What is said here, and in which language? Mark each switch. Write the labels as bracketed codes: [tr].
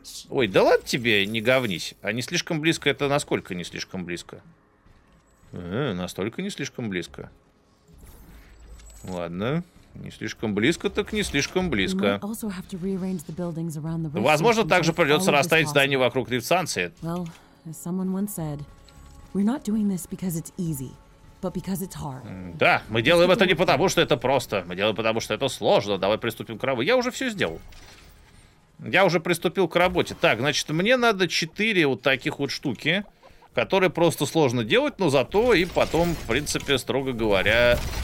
[ru] Ой, да ладно тебе, не говнись. А не слишком близко, это насколько не слишком близко? Настолько не слишком близко. Ладно. Не слишком близко, так не слишком близко. Возможно, также придется расставить здание вокруг рифт-станции. [en] Well, as someone once said, we're not doing this because it's easy, but because it's hard. [ru] Да, мы делаем это не потому, что это просто. Мы делаем потому, что это сложно. Давай приступим к работе. Я уже все сделал. Я уже приступил к работе. Так, значит, мне надо 4 вот таких вот штуки, которые просто сложно делать, но зато и потом, в принципе, строго говоря...